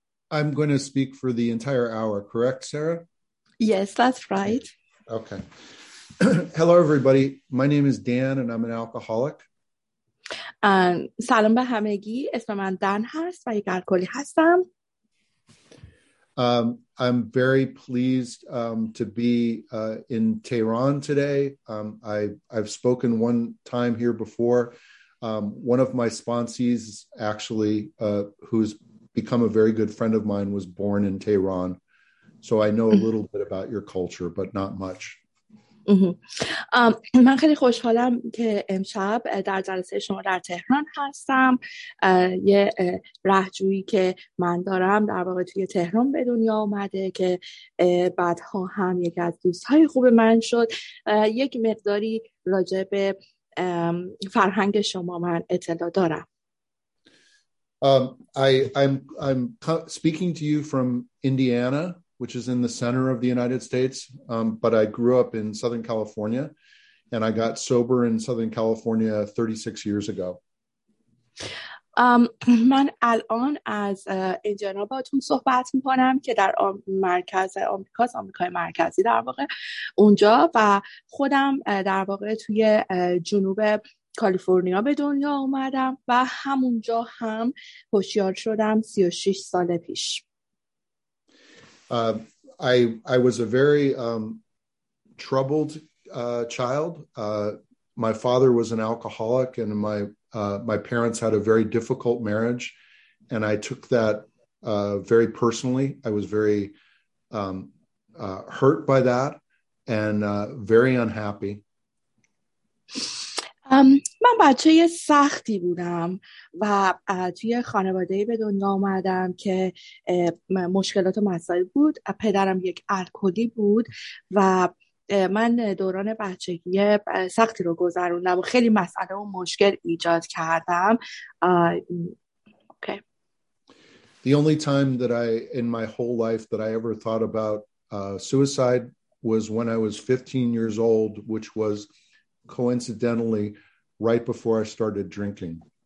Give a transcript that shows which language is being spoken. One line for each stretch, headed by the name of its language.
English: I'm going to speak for the entire hour, correct, Sarah? Yes, that's right. Okay. Hello, everybody. My name is Dan, and I'm an alcoholic.
Persian: سلام به همگی. اسم من دن هست و یک الکلی هستم.
English: I'm very pleased to be in Tehran today. I've spoken one time here before. One of my sponsees, actually, who's become a very good friend of mine, was born in Tehran. So I know a little bit about your culture, but not much.
Persian: من خیلی خوشحالم که امشب در جلسه شما در تهران هستم. یه راهجویی که من دارم در واقع توی تهران به دنیا اومده که بعدها هم یکی از دوستهای خوب من شد. یک مقداری راجع به فرهنگ شما من اطلاع دارم.
English: I'm speaking to you from Indiana, which is in the center of the United States. But I grew up in Southern California and I got sober in Southern California 36 years ago.
Persian: من الان از اینجانا باهاتون صحبت میکنم که در مرکز آمریکا، آمریکای مرکزی در واقع اونجا، و خودم در واقع توی جنوب کالیفرنیا به دنیا اومدم و همونجا هم هوشیار شدم 36 سال پیش.
English: I was a very troubled child. My father was an alcoholic and my parents had a very difficult marriage, and I took that very personally. I was very hurt by that and very unhappy.
Persian: من بچه سختی بودم و توی خانواده‌ای به دنیا آمدم که مشکلات و مسائل بود. پدرم یک الکلی بود و من دوران بچگی سختی رو گذروندم و خیلی مسئله و مشکل ایجاد کردم.
English: The only time that I in my whole life that I ever thought about suicide was when I was 15 years old, which was coincidentally right before I started drinking.